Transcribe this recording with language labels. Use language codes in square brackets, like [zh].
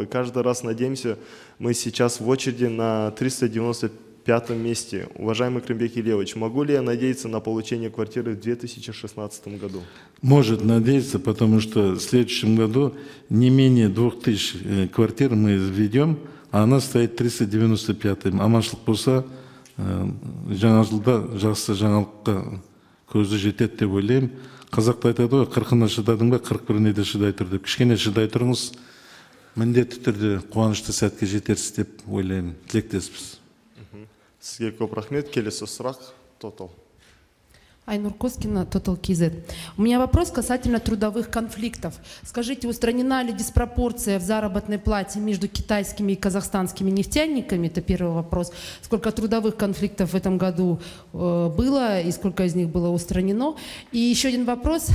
[ru] И каждый раз надеемся, мы сейчас в очереди на 395-м месте. Уважаемый Крымбек Ильевич, могу ли я надеяться на получение квартиры в 2016 году? Может надеяться, потому что в следующем году не менее 2000 квартир мы введем, а она стоит 395-м. [kk] Амашлык болса, жаңалыкта жақсы жаңалыққа көзі жетеді деп ойлаймын. Қазақта айтады ғой, 40-ына шыдадың ба, 41-ге де шыдай тұр деп. Кішкене шыдай тұрыңыз, міндетті түрде қуанышты сәтке жетерсіз деп ойлаймын. Тілектеспіз. Сізге көп рахмет. Келесі сұрақ. Тотал. [ru] Айнур Коскина, Total KZ. У меня вопрос касательно трудовых конфликтов. Скажите, устранена ли диспропорция в заработной плате между китайскими и казахстанскими нефтяниками? Это первый вопрос. Сколько трудовых конфликтов в этом году было и сколько из них было устранено? И еще один вопрос.